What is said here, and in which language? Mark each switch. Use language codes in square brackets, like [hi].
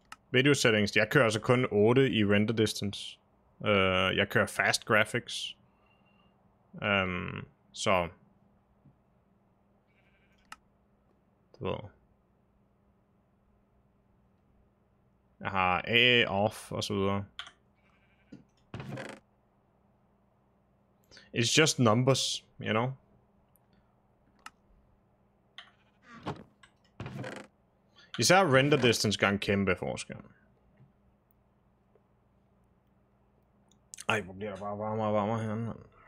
[da] Video settings, jeg kører altså kun 8 i render distance. Jeg kører fast graphics. Så. Du ved. Jeg har AA off og så videre. [en] It's just numbers, you know? [da] Især render distance gør en kæmpe forskel. Ej, hvor bliver der bare varmere og varmere herinde, mand.